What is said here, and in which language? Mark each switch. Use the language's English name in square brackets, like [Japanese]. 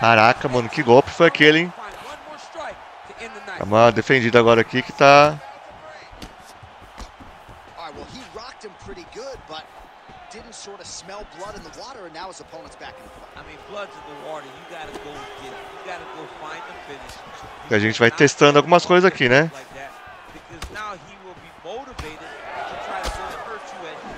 [Portuguese] Caraca, mano, que golpe foi aquele, hein? [English] One more strike to end the night. [Portuguese] Tá uma defendida agora aqui que tá. [English] Alright, well, he rocked him pretty good, but. Didn't sort of smell blood in the water, and now his opponent's back in the fight. I mean, blood's in the water. You gotta go get it. You gotta go find the finish. [Portuguese] A gente vai testando algumas coisas aqui, né? [English] Because now he will be motivated to try to hurt you.